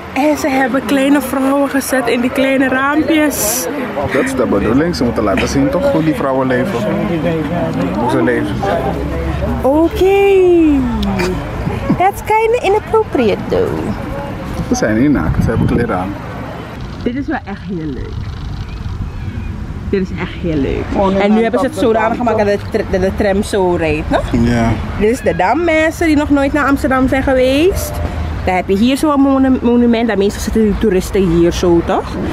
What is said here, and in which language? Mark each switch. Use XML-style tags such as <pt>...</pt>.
<nl>En ze hebben kleine vrouwen gezet in die kleine raampjes. Dat is de bedoeling. Ze moeten laten zien toch hoe die vrouwen leven. Hoe ze leven. Oké.</nl> <en>That's kind of inappropriate though.</en> <nl>Ze zijn hier naakt, ze hebben kleren aan. Dit is wel echt heel leuk. Dit is echt heel leuk. Oh, en nu hebben ze het zo aan gemaakt dat de tram zo rijdt. Ja. Yeah. Dit is de Dam, mensen die nog nooit naar Amsterdam zijn geweest. Dan heb je hier zo'n monument, daar meestal zitten de toeristen hier zo toch.</nl>